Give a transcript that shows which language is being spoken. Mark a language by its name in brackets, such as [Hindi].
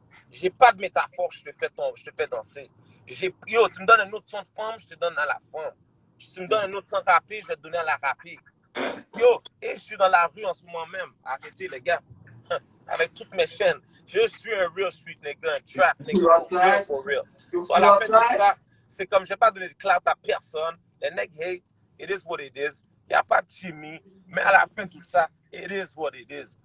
[French] J'ai pas de métaphore, je te fais danser. Yo, tu me donnes un autre son de femme, je te donne à la femme. Si tu me donnes un autre son rapide, je vais te donner à la rapide. Yo, et je suis dans la rue en ce moment même. Arrêtez, les gars. Avec toutes mes chaînes. Je suis un [English] real street, nigga, un trap, nigga. For real. [French] So, à la fin de ça, c'est comme, je vais pas donner de clout à personne. Les nègres, [English] hey, it is what it is. [French] Il n'y a pas de chimie, mais à la fin de tout ça, [English] it is what it is.